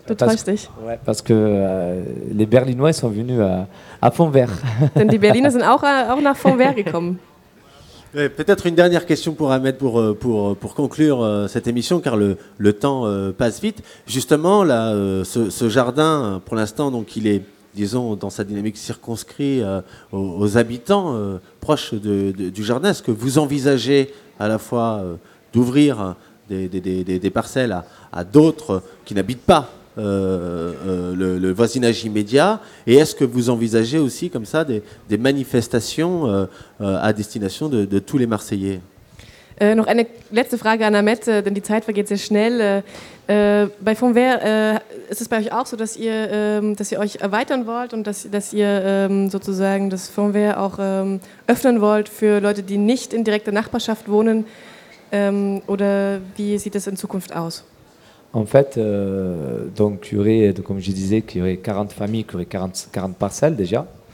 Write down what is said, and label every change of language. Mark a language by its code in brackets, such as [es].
[fr] Ouais, parce que les Berlinois sont venus à fonds verts. [de] Denn die Berliner sind auch nach fonds verts gekommen. [fr] Et peut-être une dernière question pour Ahmed pour conclure cette émission, car le temps passe vite. Justement, là, ce jardin, pour l'instant, donc, il est, disons, dans sa dynamique circonscrit aux habitants proches du jardin. Est-ce que vous envisagez à la fois d'ouvrir des parcelles à d'autres qui n'habitent pas le voisinage immédiat, et est-ce que vous envisagez aussi comme ça des manifestations à destination de tous les Marseillais? [de] Noch eine letzte Frage an Ahmed, denn die Zeit vergeht sehr schnell. Bei Von Wehr, ist es bei euch auch so, dass ihr euch erweitern wollt und dass ihr sozusagen das Von Wehr auch öffnen wollt für Leute, die nicht in direkter Nachbarschaft wohnen? Oder wie sieht das in Zukunft aus? [fr] En fait, donc il y aurait, comme je disais, qu'il y aurait 40 familles, qu'il y aurait 40 parcelles déjà.